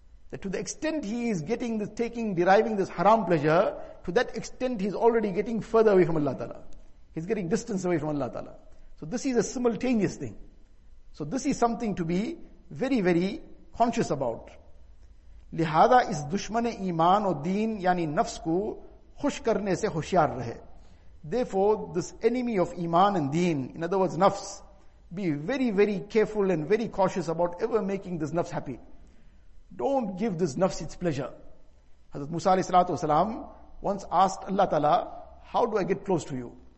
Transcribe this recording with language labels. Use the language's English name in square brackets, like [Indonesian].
[English] That to the extent he is getting this, taking, deriving this haram pleasure, to that extent he's already getting further away from Allah Ta'ala. He's getting distance away from Allah Ta'ala. So this is a simultaneous thing. So this is something to be very, very conscious about. [Urdu] لہذا اس دشمن ایمان و دین یعنی نفس کو خوش کرنے سے ہوشیار رہے. [English] Therefore, this enemy of iman and deen, in other words, nafs, be very, very careful and very cautious about ever making this nafs happy. Don't give this nafs its pleasure. Hazrat Musa alayhi salatu wasalam once asked Allah Ta'ala, how do I get close to you?